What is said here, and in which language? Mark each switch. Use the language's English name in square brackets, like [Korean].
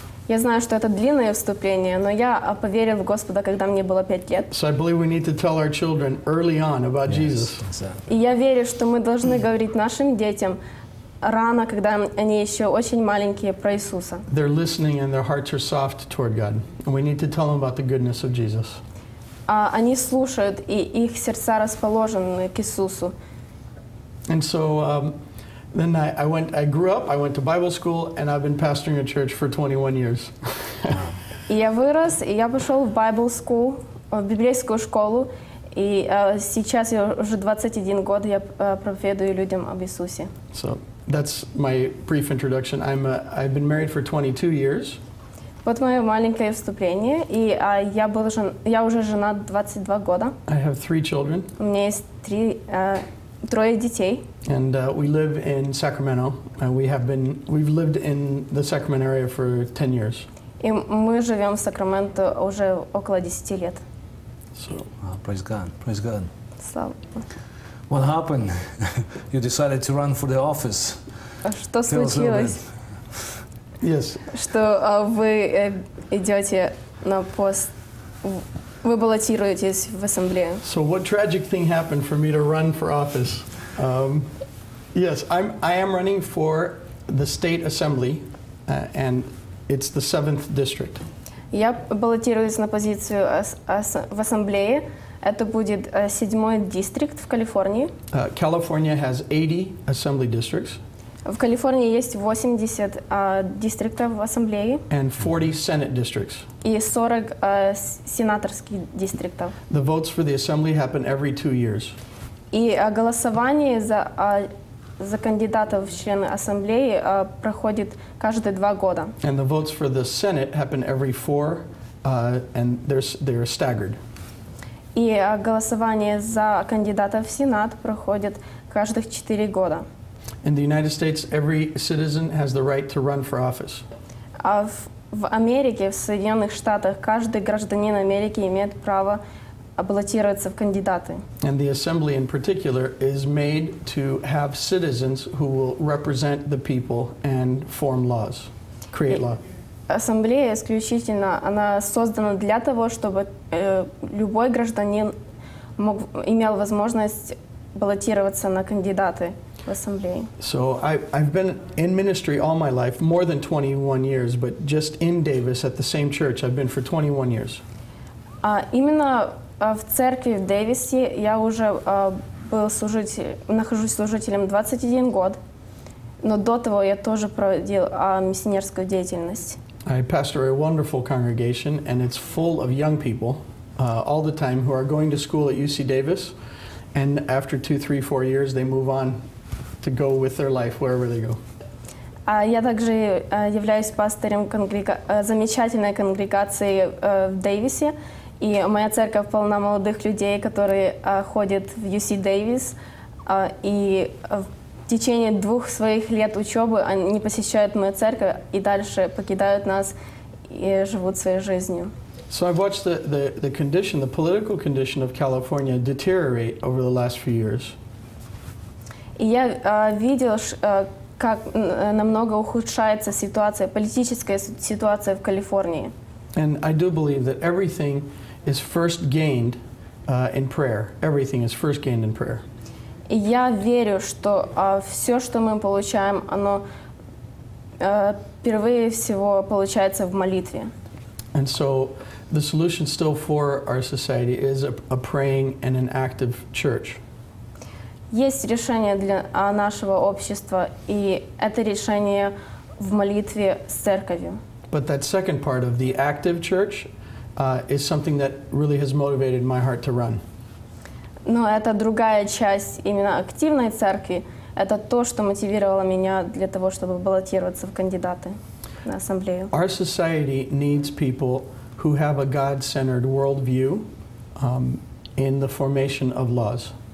[Russian] Я знаю, что это длинное вступление, но я поверил в Господа, когда мне было 5 лет. [English] So I believe we need to tell our children early on about Jesus. [Russian] И я верю, что мы должны говорить нашим детям рано, когда они еще очень маленькие, про Иисуса. [English] They're listening and their hearts are soft toward God. And we need to tell them about the goodness of Jesus. [Russian] Они слушают, и их сердца расположены к Иисусу. [English] And so Then I grew up, I went to Bible school, and I've been pastoring a church for 21 years. [Ukrainian] Я вирос, і я пішов в [English] Bible school, [Ukrainian] в біблійську школу, і зараз я вже 21 год, я проповідую людям об Ісусі. [English] So, that's my brief introduction. I've been married for 22 years. [Ukrainian] От моє маленьке вступлення, і я вже жена 22 года. [English] I have three children. [Ukrainian] У мене є троє дітей. [English] And we live in Sacramento. We've lived in the Sacramento area for 10 years. [Ukrainian] І ми живемо в Сакраменто вже [Russian] около 10 лет. [English] So, praise God. Praise God. [Ukrainian] Слава. [English] What happened? You decided to run for the office. [Ukrainian] А що случилось? [English] Yes. [Ukrainian] Що ви йдете на пост, ви балотуєтесь в асамблею. [English] So what tragic thing happened for me to run for office? Yes, I am running for the state assembly, and it's the 7th district. [Ukrainian] Я балотуюсь на позицію в асамблеї. Це буде 7-й дистрикт в Каліфорнії. [English] California has 80 assembly districts. [Ukrainian] В Каліфорнії є 80 дистриктів в асамблеї. [English] And 40 senate districts. [Ukrainian] І 40 сенаторських дистриктів. [English] The votes for the assembly happen every 2 years. [Ukrainian] І голосування за кандидатів в члени асамблеї проходить кожні 2 роки. [English] And the votes for the senate happen every 4 and they're staggered. [Ukrainian] І голосування за кандидатів в сенат проходить кожні 4 роки. [English] In the United States, every citizen has the right to run for office. [Ukrainian] В Америці, в Сполучених Штатах, кожен громадянин Америки має право балотуватися в кандидати. [English] And the assembly in particular is made to have citizens who will represent the people and form laws, create law. [Ukrainian] Асамблея исключительно, вона створена для того, щоб [Russian] любой гражданин мог имел возможность [Ukrainian] балотуватися на кандидати. [English] So I've been in ministry all my life, more than 21 years, but just in Davis at the same church I've been for 21 years. [Russian] Именно в церкви в Дэвисе я уже был служитель, нахожусь служителем 21 год. Но до того я тоже проводил миссионерскую деятельность. [English] I pastor a wonderful congregation and it's full of young people all the time who are going to school at UC Davis and after 2-3-4 years they move on to go with their life wherever they go. [Ukrainian] Я також являюсь пастором замечательной конгрегации в Дэвисе, і моя церковь полна молодих людей, які ходять в UC Davis, і [Russian] в течение [Ukrainian] 2 своїх лет учёбы вони посещають мою церковь і далі покидають нас і живуть своєю життям. [English] So I've watched the condition, the political condition of California deteriorate over the last few years. [Ukrainian] І я бачив, як намного ухудшається ситуація, політична ситуація в Каліфорнії. [English] And I do believe that everything is first gained in prayer. Everything is first gained in prayer. [Ukrainian] І я вірю, що все, що ми получаємо, воно перше всього получається в молитві. [English] And so the solution still for our society is a praying and an active church. [Ukrainian] Є рішення для нашого общества, і це рішення в молитві з церковью. [English] But that second part of the active church is something that really has motivated my heart to run. [Ukrainian] Ну, це друга часть именно активної церкви, це то, що мотивувало мене для того, щоб балотуватися в кандидати на асамблею. [English] Our society needs people who have a God-centered worldview in the formation of laws.